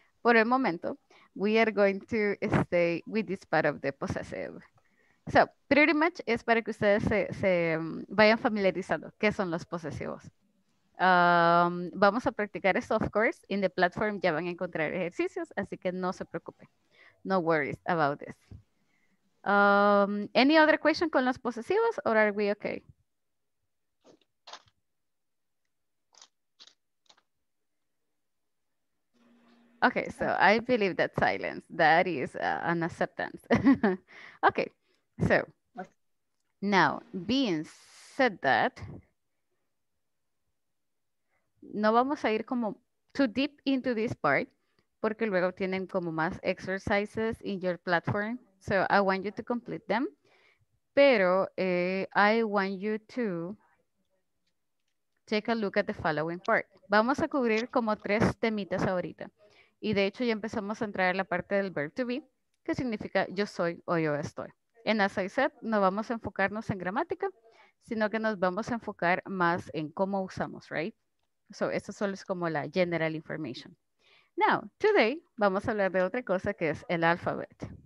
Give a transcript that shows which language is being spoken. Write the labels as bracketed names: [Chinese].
[Spanish] Por el momento, [English] we are going to stay with this part of the possessive. So, pretty much [Spanish] es para que ustedes se vayan familiarizando qué son los posesivos. Vamos a practicar esto, [English] of course. In the platform [Spanish] ya van a encontrar ejercicios, así que no se preocupen. [English] No worries about this. Any other question [Spanish] con los posesivos [English] or are we okay? Okay, so I believe that silence, that is an acceptance. Okay, so now being said that, [Spanish] no vamos a ir como [English] too deep into this part [Spanish] porque luego tienen como más [English] exercises in your platform. So I want you to complete them, pero I want you to take a look at the following part. [Spanish] Vamos a cubrir como tres temitas ahorita. Y de hecho ya empezamos a entrar en la parte del verb to be, que significa yo soy o yo estoy. [English] And as I said, [Spanish] no vamos a enfocarnos en gramática, sino que nos vamos a enfocar más en cómo usamos, right? So esto solo es como la [English] general information. Now, today, [Spanish] vamos a hablar de otra cosa que es el alphabet.